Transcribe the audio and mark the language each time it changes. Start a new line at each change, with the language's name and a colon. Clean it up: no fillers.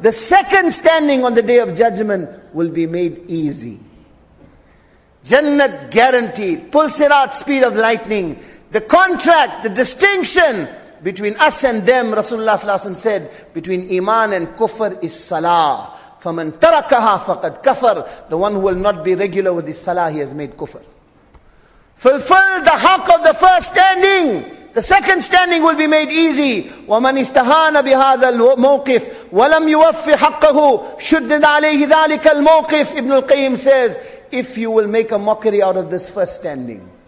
English: The second standing on the Day of Judgment will be made easy. Jannat guaranteed. Pulsirat, speed of lightning. The contract, the distinction between us and them, Rasulullah sallallahu alaihi wasallam said, between iman and kufr is salah.
Arabic: فَمَنْ تَرَكَهَا فَقَدْ kafar.
English: The one who will not be regular with his salah, he has made kufr. Fulfill the haqq of the first standing. The second standing will be made easy.
Arabic: وَمَنْ إِسْتَهَانَ بِهَذَا الْمَوْقِفِ وَلَمْ يُوَفِّ حَقَّهُ شُدِّدَ عَلَيْهِ ذَلِكَ الْمَوْقِفِ.
English: Ibn al-Qayyim says, if you will make a mockery out of this first standing,